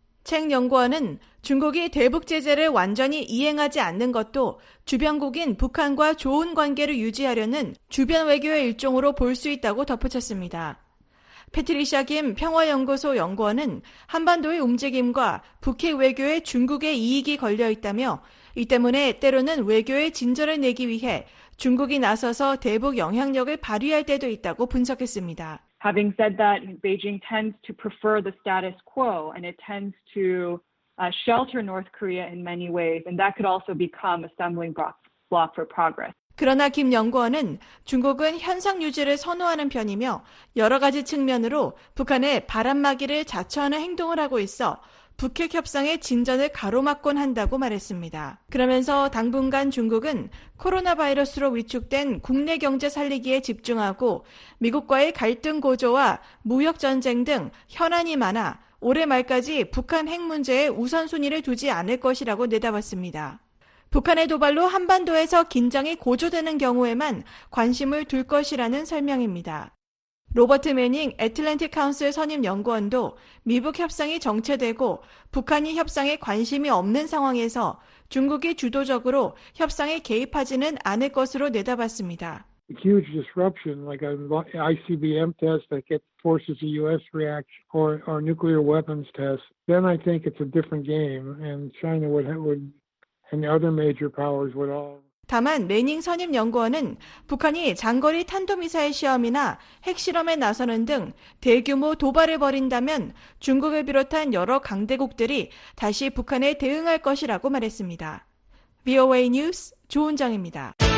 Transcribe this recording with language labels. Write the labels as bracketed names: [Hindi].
[Korean] 챙 연구원은 중국이 대북 제재를 완전히 이행하지 않는 것도 주변국인 북한과 좋은 관계를 유지하려는 주변 외교의 일종으로 볼 수 있다고 덧붙였습니다. 패트리샤 김 평화연구소 연구원은 한반도의 움직임과 북핵 외교에 중국의 이익이 걸려 있다며 이 때문에 때로는 외교에 진전을 내기 위해 중국이 나서서 대북 영향력을 발휘할 때도 있다고 분석했습니다. [English] Having said that, Beijing tends to prefer the status quo and it tends to shelter North Korea in many ways and that could also become a stumbling block for progress. [Korean] 그러나 김 연구원은 중국은 현상 유지를 선호하는 편이며 여러 가지 측면으로 북한의 바람막이를 자처하는 행동을 하고 있어 북핵 협상의 진전을 가로막곤 한다고 말했습니다. 그러면서 당분간 중국은 코로나 바이러스로 위축된 국내 경제 살리기에 집중하고 미국과의 갈등 고조와 무역 전쟁 등 현안이 많아 올해 말까지 북한 핵 문제에 우선순위를 두지 않을 것이라고 내다봤습니다. 북한의 도발로 한반도에서 긴장이 고조되는 경우에만 관심을 둘 것이라는 설명입니다. 로버트 매닝 애틀랜틱 카운슬 선임 연구원도 미북 협상이 정체되고 북한이 협상에 관심이 없는 상황에서 중국이 주도적으로 협상에 개입하지는 않을 것으로 내다봤습니다. [English] Huge disruption like an ICBM test that forces a US reaction or nuclear weapons test. Then I think it's a different game and China would and the other major powers would all [Korean] 다만 매닝 선임 연구원은 북한이 장거리 탄도미사일 시험이나 핵실험에 나서는 등 대규모 도발을 벌인다면 중국을 비롯한 여러 강대국들이 다시 북한에 대응할 것이라고 말했습니다. VOA 뉴스 조은정입니다.